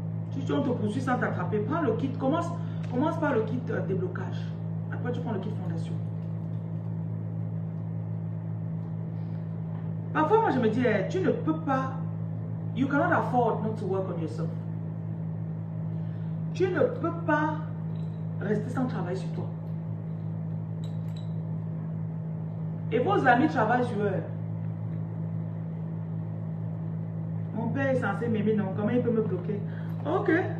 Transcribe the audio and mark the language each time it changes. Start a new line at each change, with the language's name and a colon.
French: Si on te poursuit sans t'attraper, prends le kit. Commence par le kit déblocage. Après, tu prends le kit fondation. Parfois, moi, je me dis, tu ne peux pas.
English: You cannot afford not to work on yourself.
French: Tu ne peux pas rester sans travailler sur toi. Et vos amis travaillent sur eux. Mon père est censé m'aimer, non? Comment il peut me bloquer? Ok.